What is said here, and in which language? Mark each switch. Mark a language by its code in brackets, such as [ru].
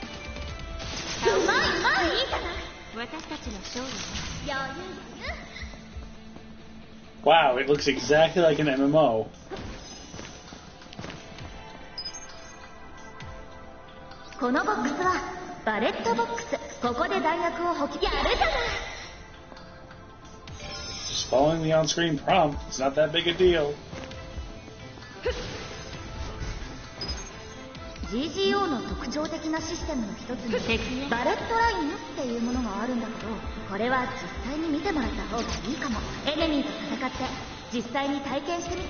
[ja] うまい、うまい、いいかな。私たちの勝利は余裕。 [en] Wow, it looks exactly like an MMO. [ja] このボックスはバレットボックス。ここで弾薬を補給。やるじゃない。 [en] Following the on-screen prompt, it's not that big a deal. [ja] GGO の特徴的なシステムの一つにバレットラインっていうものがあるんだけど、これは実際に見てもらった方がいいかも。エネミーと戦って実際に体験してみて。